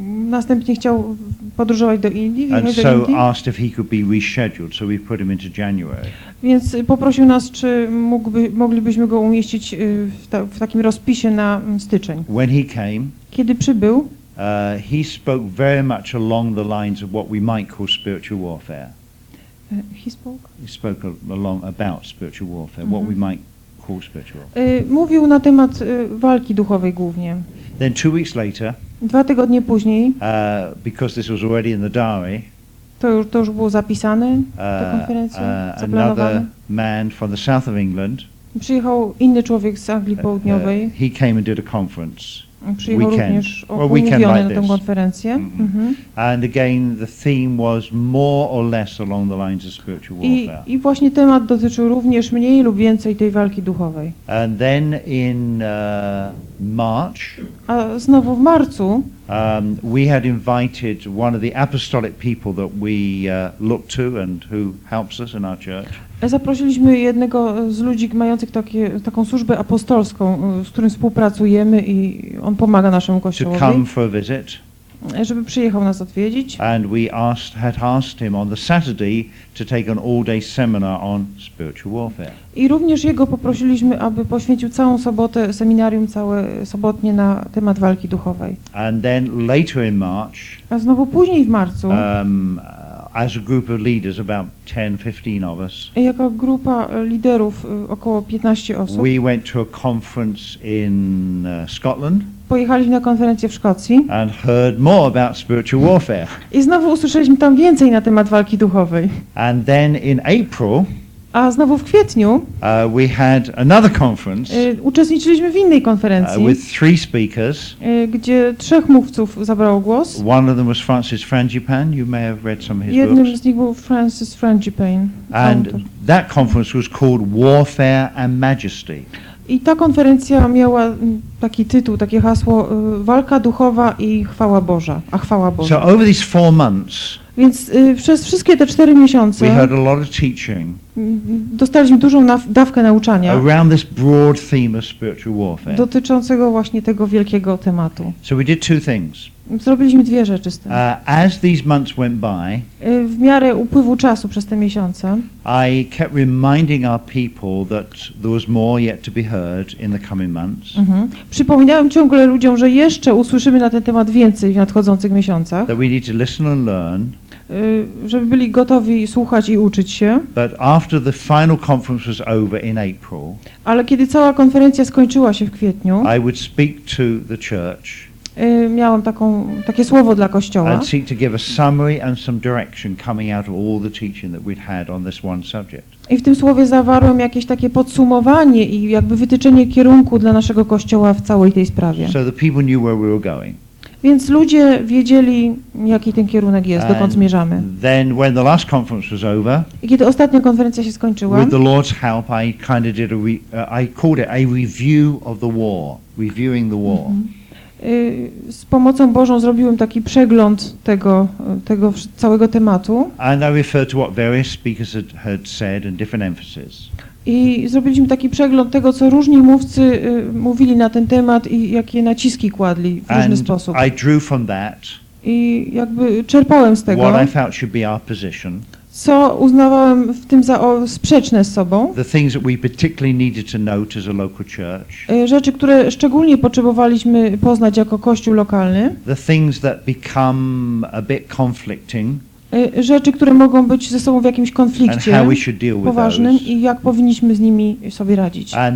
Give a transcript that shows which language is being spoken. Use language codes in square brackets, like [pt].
[pl] Następnie chciał podróżować do Indii. [en] And so [pl] do Indii. [en] Asked if he could be rescheduled, so we put him into January. [pl] Więc poprosił nas, czy moglibyśmy go umieścić w takim rozpisie na styczeń. [en] When he came, [pl] kiedy przybył, [en] he spoke very much along the lines of what we might call spiritual warfare. He spoke along about spiritual warfare, mm-hmm. what we might call spiritual warfare. [pl] Mówił na temat walki duchowej głównie. [en] Then 2 weeks later, [pl] dwa tygodnie później, [en] because this was already in the diary, [pl] to już było zapisane, ta konferencja, zaplanowane. [en] Another man from the south of England, [pl] przyjechał inny człowiek z Anglii Południowej. [en] He came and did a conference. [pl] Przyjechał również około miliony na tę konferencję. [en] And again, the theme was more or less along the lines of spiritual warfare. [pl] I właśnie temat dotyczył również mniej lub więcej tej walki duchowej. [en] And then in March. [pl] A znowu w marcu. [en] We had invited one of the apostolic people that we look to and who helps us in our church. [pl] Zaprosiliśmy jednego z ludzi mających taką służbę apostolską, z którym współpracujemy i on pomaga naszemu kościołowi. [en] To come for a visit. [pl] Żeby przyjechał nas odwiedzić. [en] And we had asked him on the Saturday to take an all-day seminar on spiritual warfare. [pl] I również jego poprosiliśmy, aby poświęcił całą sobotę, seminarium całe sobotnie na temat walki duchowej. [en] And then later in March. [pl] A znowu później w marcu. [en] As a group of leaders, about 10-15 of us. [pl] Jako grupa liderów, około 15 osób. [en] We went to a conference in Scotland. [pl] Pojechaliśmy na konferencję w Szkocji. [en] And heard more about spiritual warfare. [pl] I znowu usłyszeliśmy tam więcej na temat walki duchowej. [en] And then in April. [pl] A znowu w kwietniu. [en] We had another conference. [pl] Uczestniczyliśmy w innej konferencji. [en] With three speakers. [pl] Gdzie trzech mówców zabrało głos. [en] One of them was Francis Frangipane. You may have read some of his books. [pl] Jednym z nich był Francis Frangipane. [en] And that conference was called Warfare and Majesty. [pl] I ta konferencja miała taki tytuł, takie hasło Walka duchowa i chwała Boża. A chwała Boża. [en] So over these 4 months. [pl] Więc przez wszystkie te 4 miesiące [en] we heard a lot of teaching [pl] dostaliśmy dużą dawkę nauczania [en] around this broad theme of spiritual warfare. [pl] Dotyczącego właśnie tego wielkiego tematu. [en] So we did 2 things. [pl] Zrobiliśmy 2 rzeczy z tym. [en] As these months went by, [pl] w miarę upływu czasu przez te miesiące, [en] I kept reminding our people that there was more yet to be heard in the coming months. [pl] Przypominałem ciągle ludziom, że jeszcze usłyszymy na ten temat więcej w nadchodzących miesiącach. [en] That we need to listen and learn. [pl] Żeby byli gotowi słuchać i uczyć się. [en] But after the final conference was over in April, [pl] ale kiedy cała konferencja skończyła się w kwietniu, [en] I would speak to the church. [pl] Miałam takie słowo dla kościoła. [en] And seek to give a summary and some direction coming out of all the teaching that we'd had on this one subject. [pl] I w tym słowie zawarłem jakieś takie podsumowanie i jakby wytyczenie kierunku dla naszego kościoła w całej tej sprawie. [en] So the people knew where we were going. [pl] Więc ludzie wiedzieli, jaki ten kierunek jest, dokąd zmierzamy. [en] Then when the last conference was over, [pl] i kiedy ostatnia konferencja się skończyła, [en] with the Lord's help, I kind of did a I called it a review of the war, reviewing the war. [pl] Z pomocą Bożą zrobiłem taki przegląd tego całego tematu. [en] And I referred to what various speakers had said and different emphasis. [pl] I zrobiliśmy taki przegląd tego, co różni mówcy mówili na ten temat i jakie naciski kładli w różny sposób. [en] I drew from that, [pl] i jakby czerpałem z tego, [en] what I felt should be our position, [pl] co uznawałem w tym za sprzeczne z sobą, [en] the things that we particularly needed to note as a local church, [pl] rzeczy, które szczególnie potrzebowaliśmy poznać jako kościół lokalny, [en] the things that become a bit conflicting, [pl] rzeczy, które mogą być ze sobą w jakimś konflikcie poważnym i jak powinniśmy z nimi sobie radzić.